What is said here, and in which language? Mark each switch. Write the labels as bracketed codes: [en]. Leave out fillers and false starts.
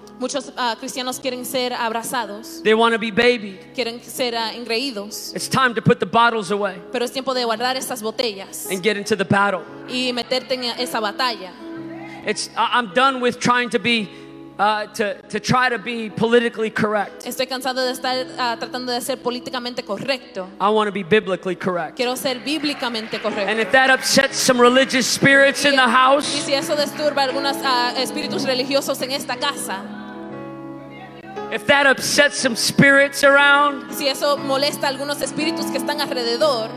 [es] Muchos cristianos quieren ser abrazados. [en] They want to be babied. [es] Quieren ser engreídos. [en] It's time to put the bottles away. [es] Pero es tiempo de guardar esas botellas. [en] And get into the battle. [es] Y meterte en esa batalla. [en] I'm done with trying to be to try to be politically correct. [es] Estoy cansado de estar tratando de ser políticamente correcto. [en] I want to be biblically correct. [es] Quiero ser bíblicamente correcto. [en] And if that upsets some religious spirits in the house, [es] y si eso disturba algunos espíritus religiosos en esta casa, [en] if that upsets some spirits around, [es] si eso molesta algunos espíritus que están alrededor,